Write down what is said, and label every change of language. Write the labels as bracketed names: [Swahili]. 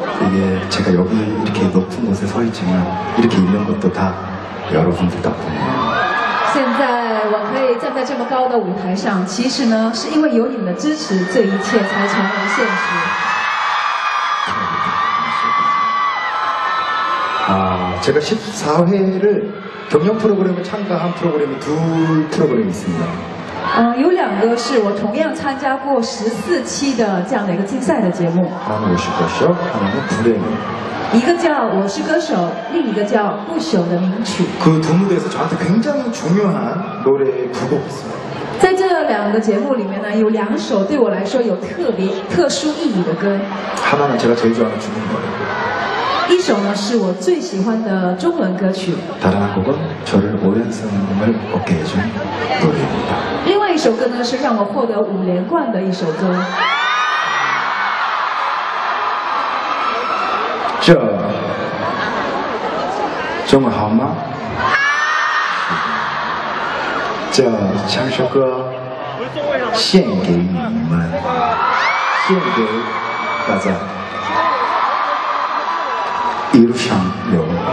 [Chinese] 이게제가여기이렇게높은곳에서있지만이렇게있는것도다여러분들덕분에 现在我可以站在这么高的舞台上，其实呢是因为有你们的支持，这一切才成为现实。 [Korean] 제가14회를경연프로그램을참가한프로그램이두프로그램이있습니다 [Chinese] 有两个是我同样参加过十四期的这样的一个竞赛的节目 [Korean] 하나는我是歌手하나는불의노래 [Chinese] 一个叫我是歌手另一个叫不朽的名曲 [Korean] 그두무대에서저한테굉장히중요한노래의두곡이있습니다 [Chinese] 在这两个节目里面呢有两首对我来说有特别特殊意义的歌 [Korean] 하나는제가제일좋아하는중국노래 [Chinese] 一首呢是我最喜欢的中文歌曲 [Korean] 다른곡은저를5연승을얻게해준노래입니다 [Chinese] 另外一首歌呢是让我获得五连冠的一首歌这中文好吗这唱首歌献给你们献给大家一路上有